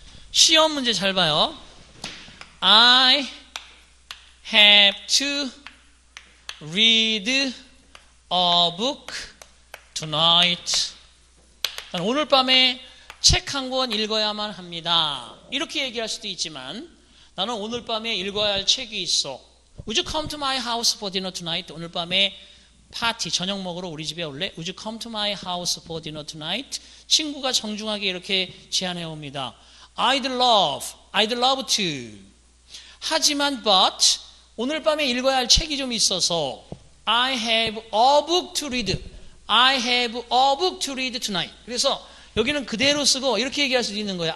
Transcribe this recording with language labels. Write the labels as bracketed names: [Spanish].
[Korean] 시험 문제 잘 봐요. [English] I have to read a book tonight. [Korean] 오늘 밤에 책 한 권 읽어야만 합니다. 이렇게 얘기할 수도 있지만 나는 오늘 밤에 읽어야 할 책이 있어. [English] Would you come to my house for dinner tonight? [Korean] 오늘 밤에 파티, 저녁 먹으러 우리 집에 올래? [English] Would you come to my house for dinner tonight? [Korean] 친구가 정중하게 이렇게 제안해 옵니다. [English] I'd love to. [Korean] 하지만 [English] but [Korean] 오늘 밤에 읽어야 할 책이 좀 있어서 [English] I have a book to read. I have a book to read tonight. [Korean] 그래서 여기는 그대로 쓰고 이렇게 얘기할 수도 있는 거예요.